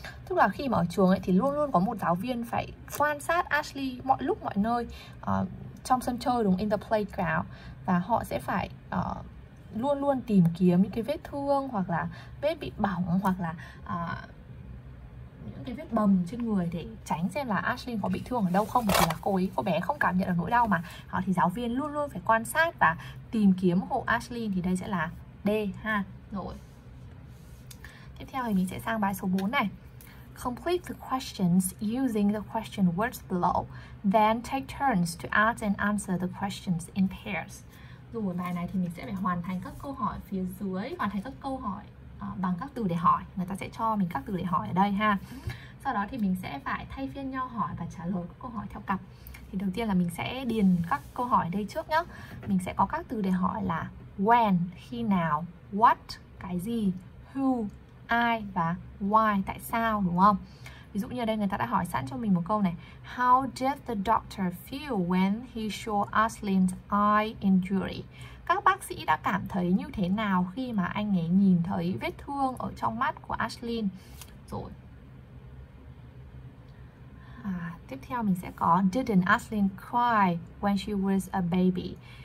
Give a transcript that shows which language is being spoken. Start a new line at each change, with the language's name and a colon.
Vietnamese: Tức là khi mà ở trường ấy thì luôn luôn có một giáo viên phải quan sát Ashley mọi lúc mọi nơi, trong sân chơi, đúng,
English: in the playground,
Vietnamese: và họ sẽ phải luôn luôn tìm kiếm những cái vết thương hoặc là vết bị bỏng hoặc là những cái vết bầm trên người để tránh xem là Ashlyn có bị thương ở đâu không, bởi vì là cô bé không cảm nhận được nỗi đau mà. Họ thì giáo viên luôn luôn phải quan sát và tìm kiếm hộ Ashlyn, thì đây sẽ là D ha. Rồi. Tiếp theo thì mình sẽ sang bài số 4 này.
English: Complete the questions using the question words below. Then take turns to ask and answer the questions in pairs.
Vietnamese: Rồi bài này thì mình sẽ phải hoàn thành các câu hỏi phía dưới, hoàn thành các câu hỏi bằng các từ để hỏi. Người ta sẽ cho mình các từ để hỏi ở đây ha. Sau đó thì mình sẽ phải thay phiên nhau hỏi và trả lời các câu hỏi theo cặp. Thì đầu tiên là mình sẽ điền các câu hỏi đây trước nhá. Mình sẽ có các từ để hỏi là when, khi nào, what, cái gì, who, ai và why, tại sao, đúng không? Ví dụ như ở đây người ta đã hỏi sẵn cho mình một câu này.
English: How did the doctor feel when he saw Aslin's eye injury?
Vietnamese: Các bác sĩ đã cảm thấy như thế nào khi mà anh ấy nhìn thấy vết thương ở trong mắt của Aslin? Rồi. Tiếp theo mình sẽ có
English: Didn't Aslin cry when she was a baby?